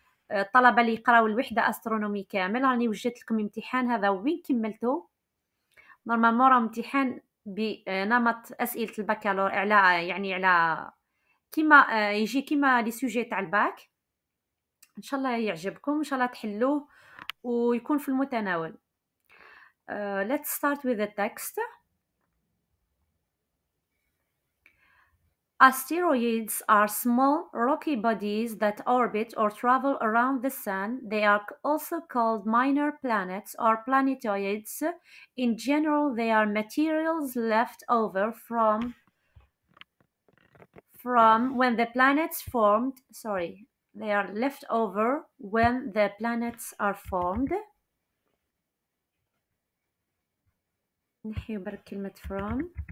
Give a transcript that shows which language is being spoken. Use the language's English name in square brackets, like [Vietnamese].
[Arabic] الطلبة اللي يقراو الوحدة أسترونومي كامل، راني وجدت لكم امتحان هذا وين كملتو؟ نورمالمون راه امتحان بنمط أسئلة الباكالوريا، على يعني على كيما يجي كيما لي سوجي تاع الباك. ان شاء الله يعجبكم، ان شاء الله تحلوه ويكون في المتناول. [English] Let's start with the text. Asteroids are small rocky bodies that orbit or travel around the sun. They are also called minor planets or planetoids. In general, they are materials left over from when the planets formed, sorry, they are left over when the planets are formed. [Arabic] نحيو برك كلمة from.